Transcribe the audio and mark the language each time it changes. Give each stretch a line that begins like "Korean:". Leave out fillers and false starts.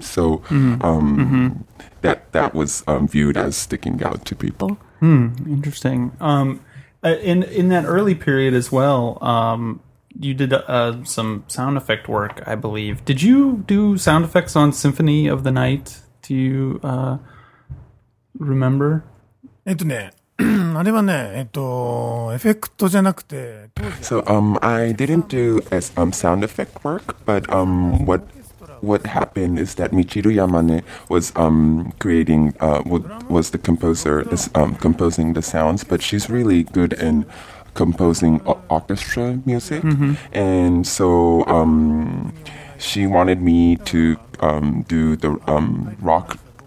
English: So that was viewed as sticking out to people. Interesting. In that early period as well, you did some sound effect work, I believe. Did you do sound effects on Symphony of the Night? Do you remember?
Japanese: あれはね、エフェクトじゃなくて。
English: So, I didn't do as sound effect work, but what happened is that Michiru Yamane was creating was the composer composing the sounds, but she's really good in composing orchestra music, and so she wanted me to do the rock.